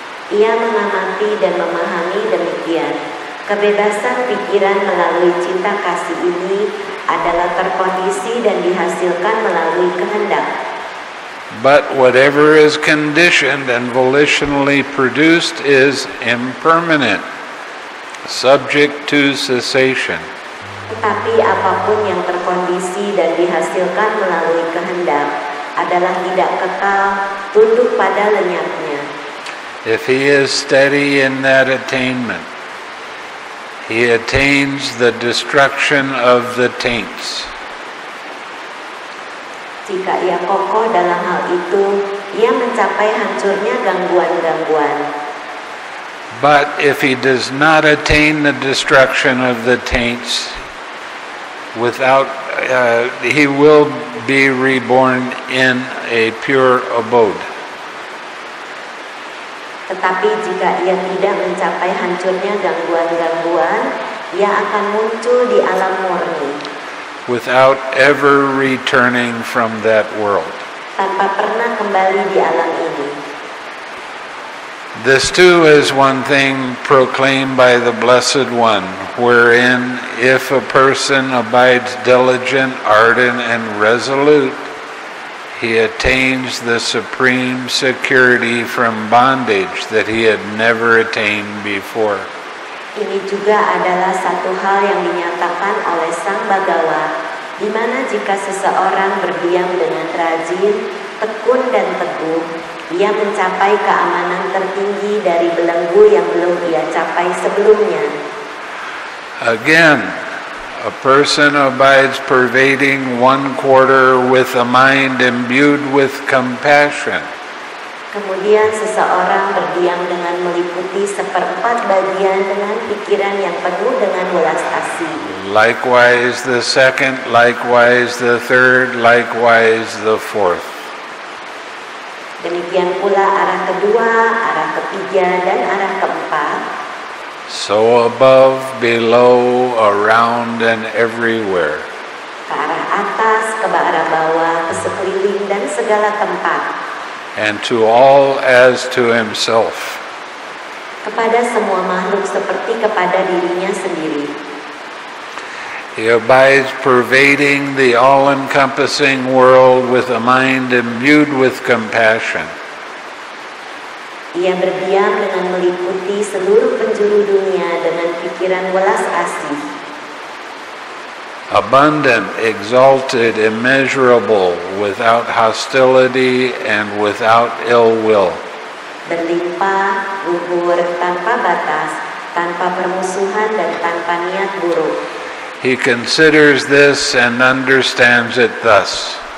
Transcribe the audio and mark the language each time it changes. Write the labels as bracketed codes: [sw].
[id] Ia mengamati dan memahami demikian. Kebebasan pikiran melalui cinta kasih ini adalah terkondisi dan dihasilkan melalui kehendak. [en] But whatever is conditioned and volitionally produced is impermanent, subject to cessation. [id] Tetapi apapun yang terkondisi dan dihasilkan melalui kehendak adalah tidak kekal, tunduk pada lenyapnya. [en] If he is steady in that attainment, he attains the destruction of the taints. [id] Jika ia kokoh dalam hal itu, ia mencapai hancurnya gangguan-gangguan. [en] But if he does not attain the destruction of the taints without he will be reborn in a pure abode. [id] Tetapi jika ia tidak mencapai hancurnya gangguan-gangguan, ia akan muncul di alam murni. [en] Without ever returning from that world. [id] Tanpa pernah kembali di alam ini. [en] This too is one thing proclaimed by the Blessed One, wherein if a person abides diligent, ardent, and resolute, he attains the supreme security from bondage that he had never attained before. [id] Ini juga adalah satu hal yang dinyatakan oleh Sang Bhagawa, di mana jika seseorang berdiam dengan rajin, tekun, dan teguh, ia mencapai keamanan tertinggi dari belenggu yang belum ia capai sebelumnya. [en] Again, a person abides pervading one quarter with a mind imbued with compassion. [id] Kemudian seseorang berdiam dengan meliputi seperempat bagian dengan pikiran yang penuh dengan welas asih. [en] Likewise the second, likewise the third, likewise the fourth. [id] Demikian pula arah kedua, arah ketiga, dan arah keempat. [en] So above, below, around, and everywhere. [id] Ke arah atas, ke arah bawah, ke sekeliling, dan segala tempat. [en] And to all as to himself. [id] Kepada semua makhluk seperti kepada dirinya sendiri. [en] He abides pervading the all-encompassing world with a mind imbued with compassion. [id] Ia berdiam dengan meliputi seluruh penjuru dunia dengan pikiran welas asih. [en] Abundant, exalted, immeasurable, without hostility and without ill will. [id] Berlimpah, luhur, tanpa batas, tanpa permusuhan, dan tanpa niat buruk. [en] He considers this and understands it thus.